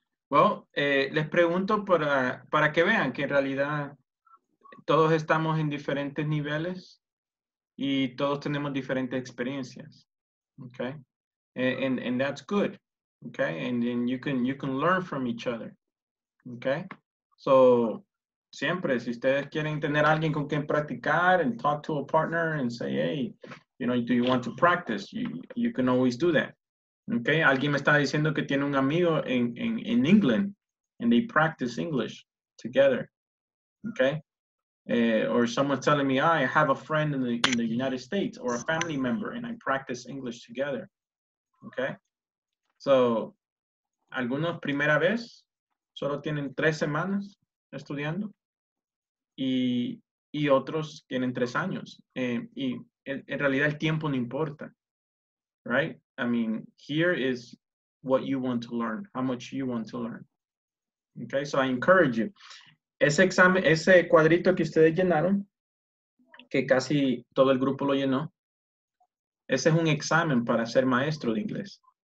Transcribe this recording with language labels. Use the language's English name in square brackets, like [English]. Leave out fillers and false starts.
[Spanish] Well, les pregunto para que vean que en realidad todos estamos en diferentes niveles y todos tenemos diferentes experiencias. [English] Okay. And that's good. Okay. And then you can learn from each other. Okay. So [Spanish] siempre, si ustedes quieren tener alguien con quien practicar [English] and talk to a partner and say, hey, you know, do you want to practice? You can always do that. Okay. [Spanish] Alguien me está diciendo que tiene un amigo [English] in England and they practice English together. Okay. Or someone's telling me, I have a friend in the United States or a family member and I practice English together. Okay. [Spanish] So, algunos primera vez solo tienen 3 semanas estudiando y otros tienen 3 años. Y en realidad el tiempo no importa, right? [English] I mean, here is what you want to learn, how much you want to learn. Okay, so I encourage you. [Spanish] Ese examen, ese cuadrito que ustedes llenaron, que casi todo el grupo lo llenó, ese es un examen para ser maestro de inglés.